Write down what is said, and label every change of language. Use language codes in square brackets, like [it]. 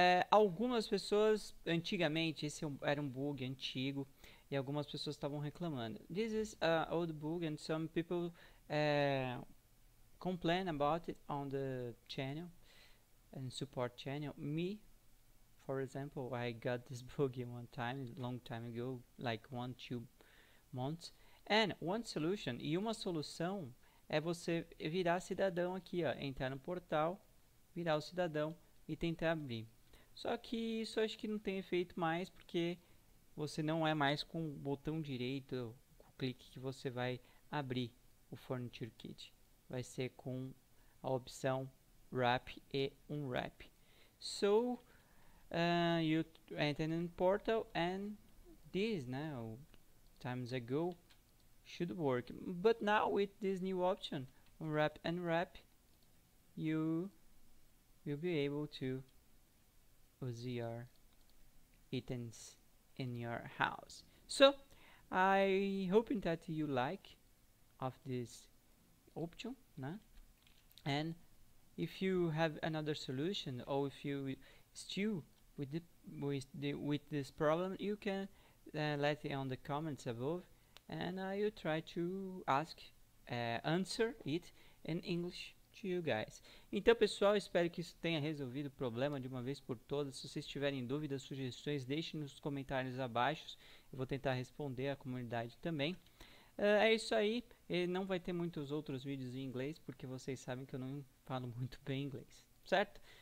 [pt] Algumas pessoas antigamente, esse era um bug antigo e algumas pessoas estavam reclamando. [en] This is a old bug and some people complain about it on the channel and support channel. Me, for example, I got this bug one time, long time ago, like 1, 2 months. And one solution, [pt] e uma solução é você virar cidadão aqui, ó, entrar no portal, virar o cidadão e tentar abrir. Só que isso acho que não tem efeito mais porque você não é mais com o botão direito, com o clique que você vai abrir o Furniture Kit. Vai ser com a opção wrap e unwrap. [en] You enter in portal and this now times ago should work. But now with this new option, unwrap and wrap, you will be able to use your items in your house. So I hope that you like of this option, né? And if you have another solution or if you still with this problem, you can let it on the comments above, and I will try to answer it in English to you guys. [pt] Então, pessoal, espero que isso tenha resolvido o problema de uma vez por todas. Se vocês tiverem dúvidas, sugestões, deixem nos comentários abaixo. Eu vou tentar responder à comunidade também. É isso aí. E não vai ter muitos outros vídeos em inglês, porque vocês sabem que eu não falo muito bem inglês, certo?